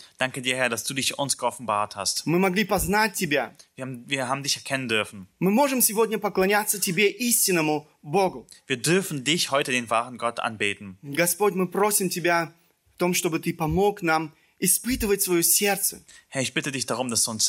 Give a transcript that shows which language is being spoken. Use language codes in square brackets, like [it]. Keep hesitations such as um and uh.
[de] Danke dir, Herr, dass du dich uns geoffenbart hast. [ru] Мы могли познать Тебя. [de] Wir haben, wir haben dich erkennen dürfen. [ru] Мы можем сегодня поклоняться Тебе, истинному Богу. [de] Wir dürfen dich heute, den wahren Gott, anbeten. [ru] Господь, мы просим Тебя в том, чтобы Ты помог нам [de] Herr, ich bitte dich darum, dass du uns